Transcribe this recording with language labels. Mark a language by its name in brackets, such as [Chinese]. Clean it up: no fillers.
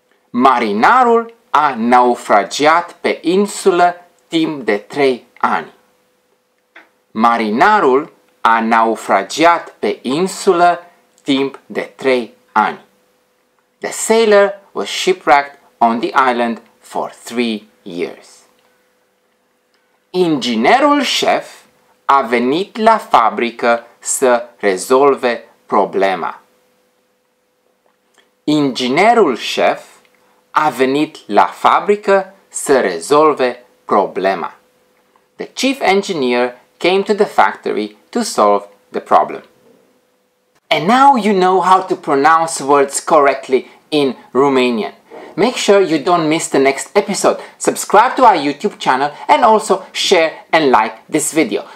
[Romanian] Marinarul a naufragiat pe insulă timp de 3 ani. Marinarul a naufragiat pe insulă timp de 3 ani. [English] The sailor was shipwrecked on the island for 3 years. [Romanian] Inginerul șef a venit la fabrică să rezolve problema. Inginerul șef a venit la fabrică să rezolve problema. [English] The chief engineer came to the factory to solve the problem. And now you know how to pronounce words correctly in Romanian. Make sure you don't miss the next episode. Subscribe to our YouTube channel and also share and like this video.